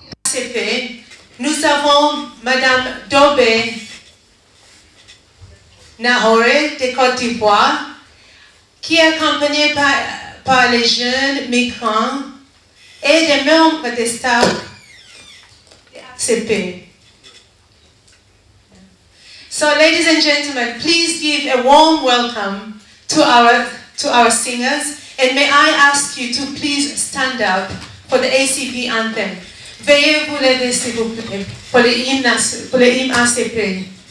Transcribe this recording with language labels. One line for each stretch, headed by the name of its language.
French: ACP, nous avons Madame Dobet Gnahoret de Côte d'Ivoire, qui est accompagnée par les jeunes migrants et des membres des staff CP.
English: So, ladies and gentlemen, please give a warm welcome to our singers, and may I ask you to please stand up for the ACP anthem.
French: Veuillez vous lever, s'il vous plaît, pour les hymnes ACP.